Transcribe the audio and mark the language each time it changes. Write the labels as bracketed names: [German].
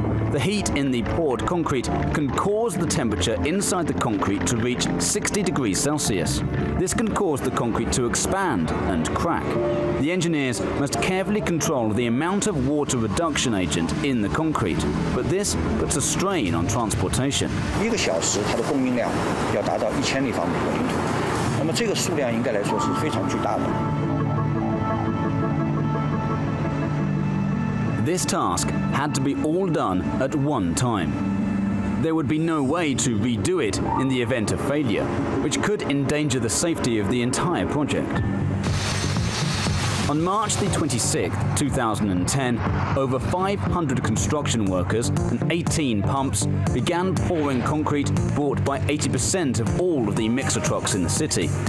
[English] The heat in the poured concrete can cause the temperature inside the concrete to reach 60 degrees Celsius. This can cause the concrete to expand and crack. The engineers must carefully control the amount of water reduction agent in the concrete, but this puts a strain on transportation. [Chinese] 1个小时它的供应量要达到1000立方米的混凝土。那么这个数量应该来说是非常巨大的。 [English] This task had to be all done at one time. There would be no way to redo it in the event of failure, which could endanger the safety of the entire project. On March the 26th, 2010, over 500 construction workers and 18 pumps began pouring concrete bought by 80% of all of the mixer trucks in the city.